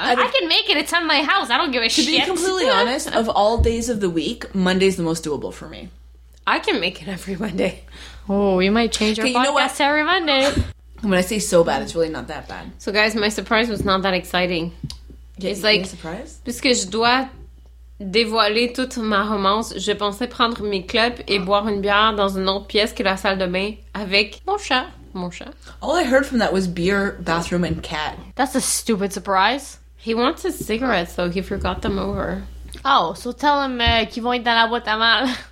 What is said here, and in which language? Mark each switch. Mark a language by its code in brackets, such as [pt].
[en] I can make it. It's on my house. I don't give a shit. To be completely honest, of all days of the week, Monday's the most doable for me. I can make it every Monday. Oh, we might change our podcast every Monday. When I say so bad, it's really not that bad. So guys, my surprise was not that exciting. Yeah, it's like a surprise? [fr] Parce que je dois dévoiler toute ma romance. Je pensais prendre mes clubs et boire une bière dans une autre pièce que la salle de bain avec mon chat. [en] All I heard from that was beer, bathroom, and cat. That's a stupid surprise. He wants his cigarettes, though. He forgot them over. Oh, so tell him [fr] qu'ils vont être dans la boîte à mal.